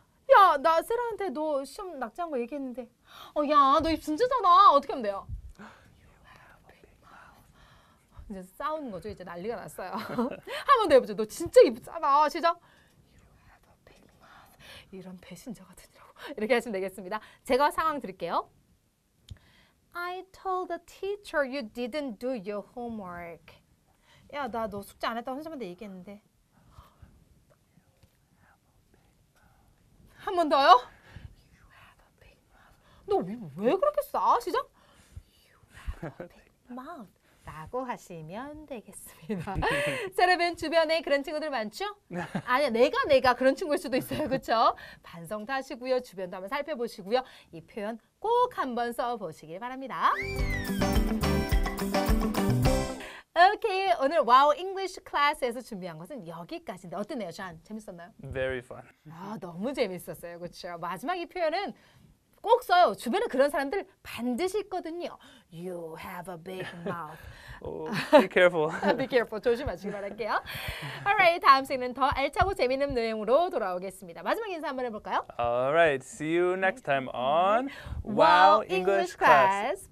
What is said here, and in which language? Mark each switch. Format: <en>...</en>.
<ko>야, 나 세라한테 너 시험 낙제한 거 얘기했는데. 어, 야, 너 입 진짜잖아. 어떻게 하면 돼요?</ko> <en>You have a big</en> <ko>이제 싸우는 거죠. 이제 난리가 났어요. 한번 더 해보죠. 너 진짜 이쁘잖아. 시작.</ko> <en>You have a big mouth.</en> <ko>이런 배신자 같으니라고. 이렇게 하시면 되겠습니다. 제가 상황 드릴게요.</ko> <en>I told the teacher you didn't do your homework.</en> <ko>야, 나 너 숙제 안 했다고 선생님한테 얘기했는데. 한 번 더요?</ko> <en>You have a big mouth.</en> <ko>너 왜 그렇게 싸워? 시작.</ko> <en>You have a big mouth.</en> <ko>라고 하시면 되겠습니다. 여러분 주변에 그런 친구들 많죠? 아니 내가 그런 친구일 수도 있어요. 그렇죠? 반성 하시고요. 주변도 한번 살펴보시고요. 이 표현 꼭 한번 써보시길 바랍니다. 오케이. 오늘 와우 잉글리쉬 클래스에서 준비한 것은 여기까지인데 어땠나요? 전 재밌었나요?</ko> <en>Very fun.</en> <ko>아, 너무 재밌었어요. 그렇죠? 마지막 이 표현은 꼭 써요. 주변에 그런 사람들 반드시 있거든요.</ko> <en>You have a big mouth. Oh, be careful. Be careful.</en> <ko>조심하시기 바랄게요.</ko> <en>Alright,</en> <ko>다음 시간에는 더 알차고 재미있는 내용으로 돌아오겠습니다. 마지막 인사 한번 해볼까요?</ko> <en>Alright, see you next time on Wow English Class.</en>